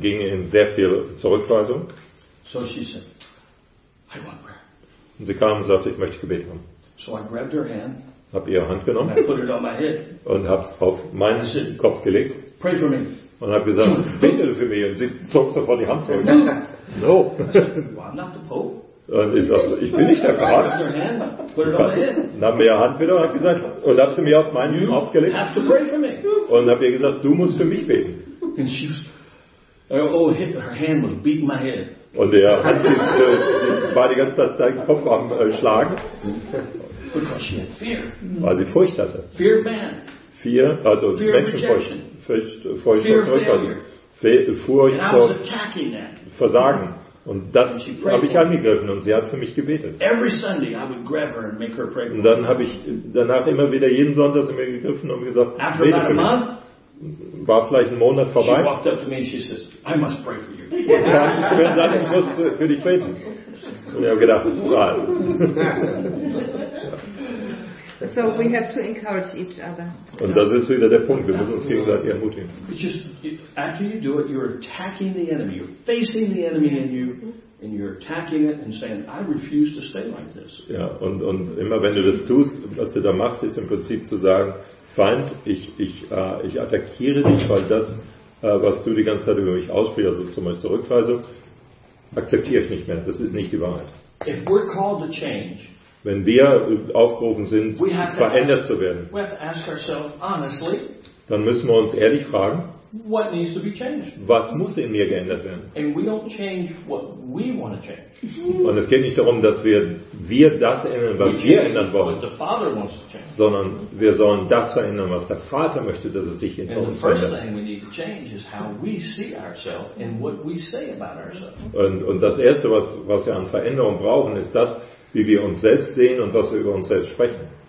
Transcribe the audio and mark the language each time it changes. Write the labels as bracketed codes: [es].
[de] Ging in sehr viel Zurückweisung. [en] So she said, I want prayer. [de] Und sie kam und sagte, ich möchte Gebet haben. [en] So I grabbed her hand. [de] Hab ihre Hand genommen. [en] I put it on my head. [de] Und hab's auf meinen [en] said, [de] Kopf gelegt. [en] Pray for me. [de] Und hab gesagt, bete für mich. Und sie zog sofort die Hand zurück. [en] No. I said, well, I'm not the Pope. [de] Und ich sagte, ich bin nicht der Papst. Dann haben wir ja Hand wieder und gesagt, und habe sie mir auf meinen Kopf gelegt. [en] Have to pray for me. [de] Und habe ihr gesagt, du musst für mich beten. [en] And she was, oh, hit, her hand was beating my head. [de] Und er hat war die ganze Zeit seinen Kopf am Schlagen. [en] Because she had fear. [de] Weil sie Furcht hatte. [en] Fear of man. Fear, also fear [de] Menschenfurcht. [en] Of [de] Furcht vor Zurückhaltung. Furcht vor Versagen. Und das habe ich angegriffen und sie hat für mich gebetet. Und dann habe ich danach immer wieder jeden Sonntag sie mir gegriffen und gesagt, bete für mich. War vielleicht ein Monat vorbei. Und dann habe ich gesagt, ich muss für dich beten. Und ich habe gedacht, wow. [en] So we have to encourage each other. [de] Und das ist wieder der Punkt. Wir müssen uns gegenseitig ermutigen. [en] Just, after you do it, you're attacking the enemy. You're facing the enemy in you, and you're attacking it and saying, I refuse to stay like this. [de] Ja, und immer wenn du das tust, was du da machst, ist im Prinzip zu sagen, Feind, ich attackiere dich, weil das, was du die ganze Zeit über mich aussprichst, also zum Beispiel Zurückweisung, akzeptiere ich nicht mehr. Das ist nicht die Wahrheit. [en] If we're called to change, [de] wenn wir aufgerufen sind, verändert zu werden, [en] honestly, [de] dann müssen wir uns ehrlich fragen, [en] what needs to be changed? [de] Was muss in mir geändert werden? [en] And we don't change what we want to change. [de] Und es geht nicht darum, dass wir das ändern, was [en] we [de] wir ändern wollen, [en] what the Father wants to change. [de] Sondern wir sollen das verändern, was der Vater möchte, dass es sich in [en] and [de] uns verändert. Und das Erste, was wir an Veränderung brauchen, ist das, wie wir uns selbst sehen und was wir über uns selbst sprechen.